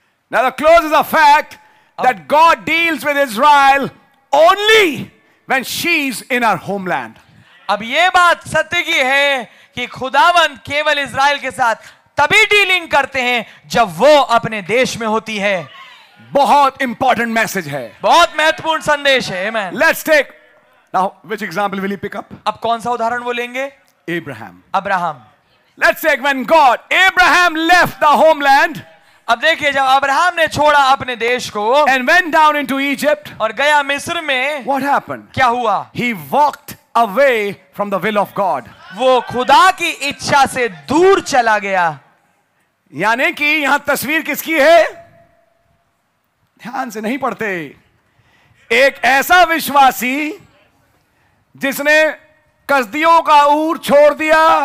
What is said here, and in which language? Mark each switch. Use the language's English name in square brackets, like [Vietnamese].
[English] Now the clause is a fact that God deals with Israel only when she's in her homeland. [Hindi] अब ये बात सत्य की है कि खुदावंत केवल इज़राइल के साथ तभी डीलिंग करते हैं जब वो अपने देश में होती है. बहुत इंपॉर्टेंट मैसेज है. बहुत महत्वपूर्ण संदेश है. [English] Amen. Let's take now which example will he pick up? [Hindi] अब कौन सा उदाहरण वो लेंगे? [English] Abraham. Abraham. Let's say when God, Abraham left the homeland. [Hindi] अब देखिए जब अब्राहम ने छोड़ा अपने देश को. [English] And went down into Egypt. [Hindi] और गया मिस्र में. [English] What happened? [Hindi] क्या हुआ? [English] He walked away from the will of God. [Hindi] वो खुदा की इच्छा से दूर चला गया. यानी कि यहां तस्वीर किसकी है? ध्यान से नहीं पढ़ते. एक ऐसा विश्वासी जिसने कसदियों का ऊर छोड़ दिया.